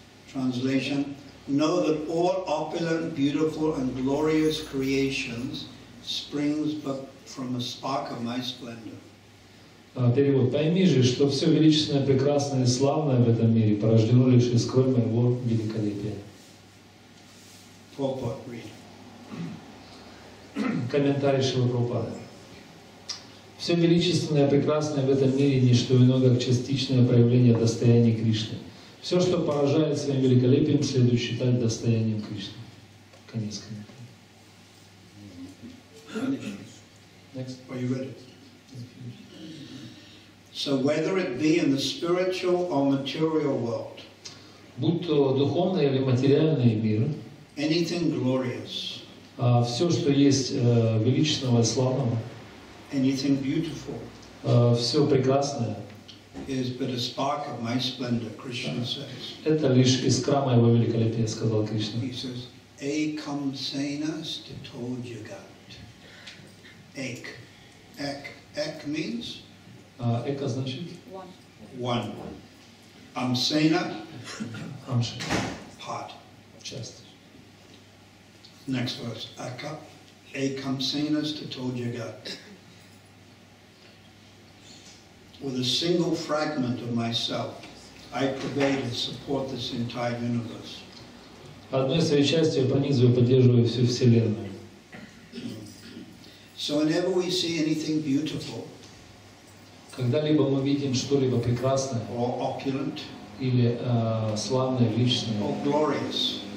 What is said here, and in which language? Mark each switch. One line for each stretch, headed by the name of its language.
English: Translation: know that all opulent, beautiful and glorious creations springs but from a spark of my splendor.
Russian: Перевод: пойми же, что все величественное, прекрасное и славное в этом мире порождено лишь искрой моего великолепия. Комментарий Шрилы Прабхупады. Все величественное и прекрасное в этом мире не что иное, как частичное проявление достояния Кришны. Все, что поражает своим великолепием, следует считать достоянием Кришны. Конец комментария.
English: Are you ready? So whether it be in the spiritual or material world,
Russian: будь то духовный или материальный мир,
English: anything glorious.
Russian: Все, что есть величественного и славного.
English: Anything beautiful.
Russian: Все прекрасное.
English: Is but a spark of my splendor, Krishna says.
Russian: Это лишь искра моего великолепия, сказал Кришна.
English: He says,
Sanskrit: Ekam Sena Stito Jagat.
English: Ek. Ek. Ek means?
Russian: Ek значит?
English: One. One. Amsena.
Sanskrit: Amsena.
English: Heart. Chest. Next verse,
Sanskrit: Ekam Sena Stito Jagat.
English: With a single fragment of myself, I pervade and support this entire universe.
Russian: Одной своей частью пронизываю, поддерживаю всю вселенную.
English: So whenever we see anything beautiful,
Russian: когда-либо мы видим что-либо прекрасное,
English: or opulent,
Russian: или славное, величественное,
English: or glorious,